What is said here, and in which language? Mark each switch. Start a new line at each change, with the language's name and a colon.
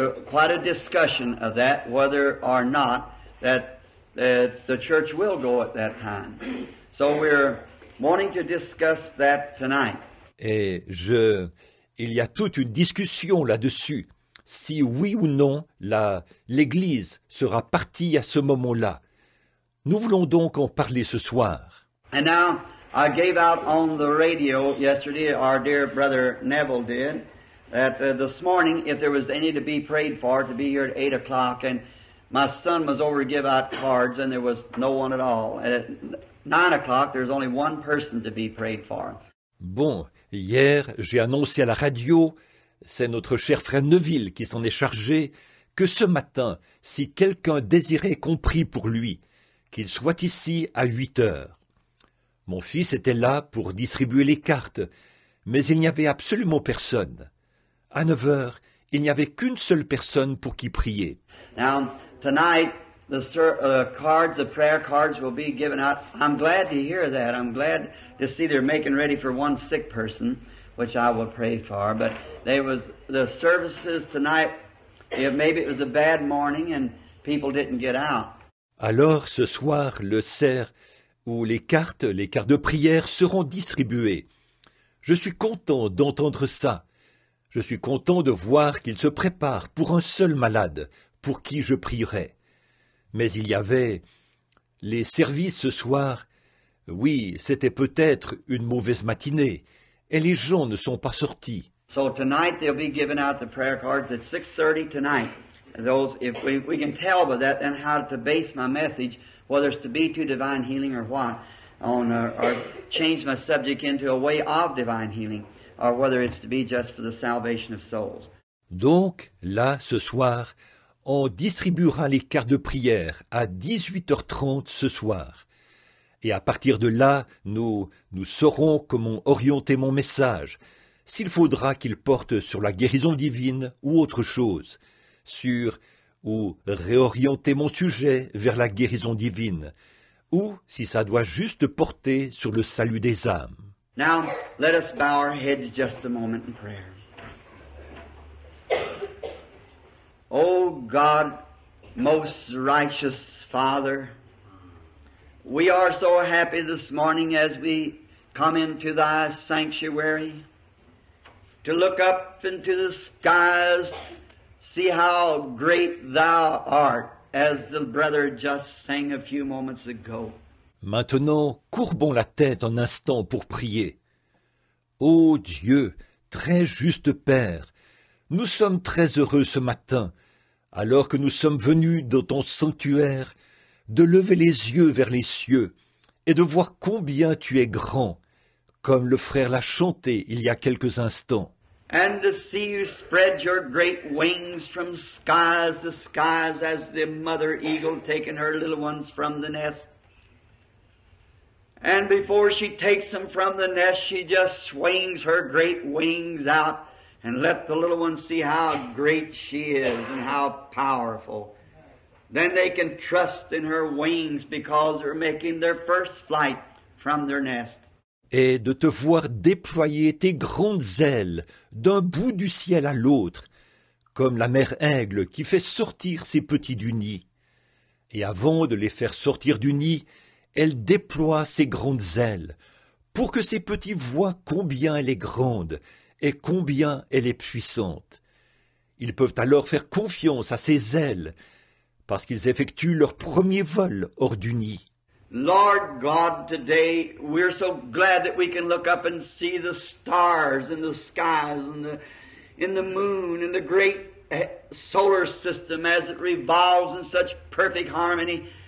English: quite a discussion of that, whether or not that the church will go at that time. So we're wanting to discuss that tonight.
French: Il y a toute une discussion là-dessus, si oui ou non l'Église sera partie à ce moment-là. Nous voulons donc en parler ce soir.
English: And now, I gave out on the radio yesterday, our dear brother Neville did, that this morning, if there was any to be prayed for, to be here at 8 o'clock, and my son was over to give out cards, and there was no one at all. And at 9 o'clock, there's only one person to be prayed for.
French: Bon, hier, j'ai annoncé à la radio, c'est notre cher frère Neville qui s'en est chargé, que ce matin, si quelqu'un désirait qu'on prie pour lui, qu'il soit ici à 8 heures. Mon fils était là pour distribuer les cartes, mais il n'y avait absolument personne. À 9 heures, il n'y avait qu'une seule personne pour qui prier.
English: Now, tonight, the prayer cards will be given out. I'm glad to hear that. I'm glad to see they're making ready for one sick person, which I will pray for. But the services tonight, maybe it was a bad morning and people didn't get out.
French: Alors, ce soir, le cerf ou les cartes de prière seront distribuées. Je suis content d'entendre ça. Je suis content de voir qu'ils se préparent pour un seul malade pour qui je prierai. Mais il y avait les services ce soir. Oui, c'était peut-être une mauvaise matinée et les gens ne sont pas sortis.
English: So tonight they'll be giving out the prayer cards at 6:30 tonight. Those, if we can tell by that, then how to base my message, whether it's to be to divine healing or what, or change my subject into a way of divine healing, or whether it's to be just for the salvation of souls.
French: Donc là, ce soir, on distribuera les cartes de prière à 18h30 ce soir. Et à partir de là, nous saurons comment orienter mon message, s'il faudra qu'il porte sur la guérison divine ou autre chose, sur ou réorienter mon sujet vers la guérison divine, ou si ça doit juste porter sur le salut des âmes.
English: Now, let us bow our heads just a moment in prayer. Oh God, most righteous Father, we are so happy this morning as we come into Thy sanctuary to look up into the skies, see how great Thou art, as the brother just sang a few moments ago.
French: Maintenant, courbons la tête un instant pour prier. Ô Dieu, très juste Père, nous sommes très heureux ce matin, alors que nous sommes venus dans ton sanctuaire, de lever les yeux vers les cieux et de voir combien tu es grand, comme le frère l'a chanté il y a quelques instants.
English: And to see you spread your great wings from skies to skies as the mother eagle taking her little ones from the nest. And before she takes them from the nest, she just swings her great wings out and let the little ones see how great she is and how powerful. Then they can trust in her wings because they're making their first flight from their nest.
French: Et de te voir déployer tes grandes ailes d'un bout du ciel à l'autre, comme la mère aigle qui fait sortir ses petits du nid. Et avant de les faire sortir du nid, elle déploie ses grandes ailes, pour que ses petits voient combien elle est grande et combien elle est puissante. Ils peuvent alors faire confiance à ses ailes, parce qu'ils effectuent leur premier vol hors du nid.
English: Lord God, today we're so glad that we can look up and see the stars in the skies and in the moon and the great solar system as it revolves in such perfect harmony.